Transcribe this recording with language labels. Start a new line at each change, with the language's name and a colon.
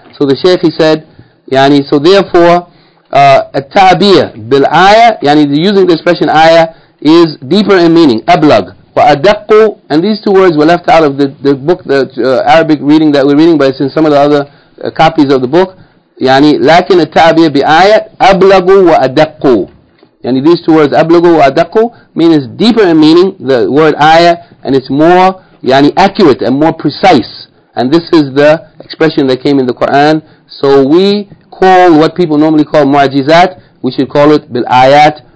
English: So the Shaykh, he said, yani, so therefore, at-ta'biyah bil ayah, yani using the expression ayah, is deeper in meaning, ablag, wa adaqu, and these two words were left out of the book, the Arabic reading that we're reading, but it's in some of the other copies of the book.
Arabic: يعني لكن التعبير بآية أبلغوا وأدقوا.
English: يعني these two words
Arabic: أبلغوا وأدقوا
English: mean it's deeper in meaning, the word ayah, and it's more يعني accurate and more precise. And this is the expression that came in the Quran. So we call what people normally call معجزات, we should call it بالآيات.